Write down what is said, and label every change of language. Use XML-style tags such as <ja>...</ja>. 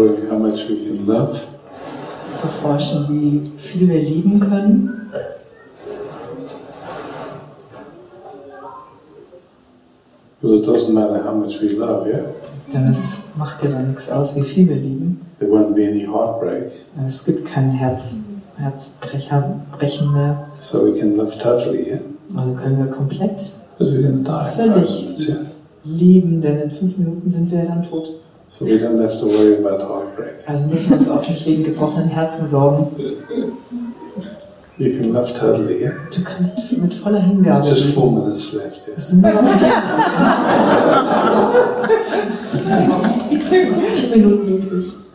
<en>How much we can love.</en> <de>Zu forschen, wie viel wir lieben können.</de> <en>Because it doesn't matter how much we love, yeah?</en> <de>Denn es macht ja dann nichts aus, wie viel wir lieben.</de> <en>There won't be any heartbreak.</en> <de>Es gibt kein Herzbrechen mehr.</de> <en>So we can love totally, yeah?</en> <de>Also können wir komplett völlig lieben, denn in 5 Minuten sind wir ja dann tot.</de> <en>So we don't have to worry about heartbreak.</en> <de>Also müssen wir uns auch nicht wegen gebrochenen Herzen sorgen.</de> <en>You can love totally, yeah?</en> <de>Du kannst mit voller Hingabe.</de> <en>Just 4 minutes left, yeah.</en> <de>Es sind nur noch 4 Minuten übrig.</de>